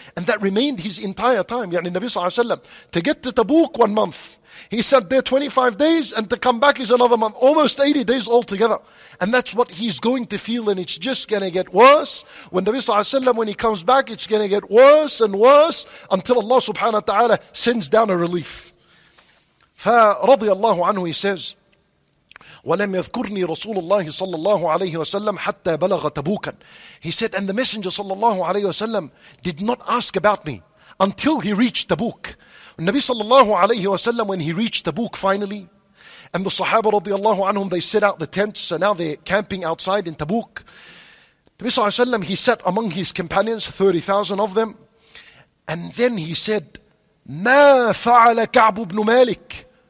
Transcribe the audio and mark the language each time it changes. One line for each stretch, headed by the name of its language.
English: And that remained his entire time. Yani Nabi Sallallahu Alaihi Wasallam, to get to Tabuk 1 month. He sat there 25 days and to come back is another month. Almost 80 days altogether. And that's what he's going to feel, and it's just going to get worse. When Nabi Sallallahu Alaihi Wasallam, when he comes back, it's going to get worse and worse until Allah Subhanahu Wa Ta'ala sends down a relief.
Arabic: فرضي الله عنه
English: he says
Arabic: ولم يذكرني رسول الله صلى الله عليه وسلم حتى بلغ تبوكا.
English: He said, and the messenger صلى الله عليه وسلم did not ask about me until he reached Tabuk. النبي صلى الله عليه وسلم, when he reached Tabuk finally, and the Sahaba رضي الله عنهم, they set out the tents, and now they're camping outside in Tabuk. النبي صلى الله عليه وسلم, he sat among his companions, 30,000 of them, and then he said,
Arabic: ما فعل كعب بن مالك?